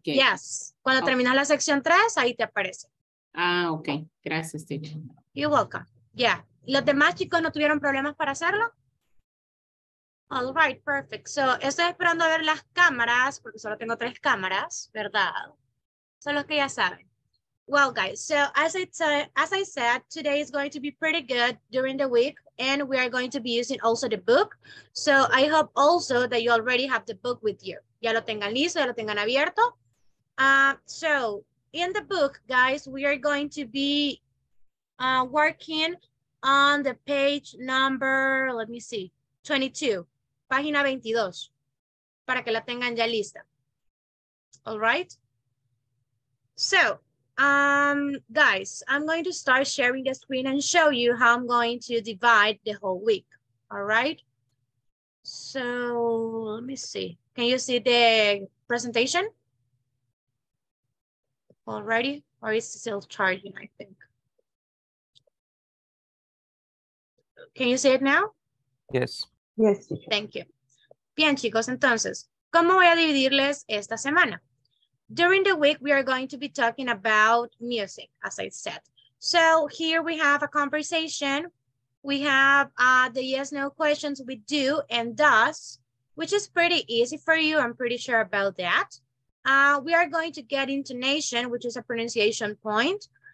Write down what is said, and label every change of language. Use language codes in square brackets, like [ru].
[es] ¿Qué? Yes. Cuando terminas la sección 3, ahí te aparece. Ah, ok. Gracias, teacher. [en] You're welcome. Yeah. [es] ¿Los demás chicos no tuvieron problemas para hacerlo? [en] All right, perfect. [es] So, estoy esperando a ver las cámaras, porque solo tengo tres cámaras, ¿verdad? Son los que ya saben. [en] Well, guys, so as I said, today is going to be pretty good during the week, and we are going to be using also the book. So, I hope also that you already have the book with you. [es] Ya lo tengan listo, ya lo tengan abierto. [en] So, in the book, guys, we are going to be working on the page number, let me see, 22. [es] Página 22, para que la tengan ya lista. [en] All right? So, Guys, I'm going to start sharing the screen and show you how I'm going to divide the whole week. All right. So let me see. Can you see the presentation? Already? Or is it still charging, I think? Can you see it now? Yes. Yes. Thank you. [es] Bien, chicos, entonces, ¿cómo voy a dividirles esta semana? [en] During the week, we are going to be talking about music, as I said. So here we have a conversation. We have the yes, no questions we do and does, which is pretty easy for you. I'm pretty sure about that. We are going to get intonation, which is a pronunciation point.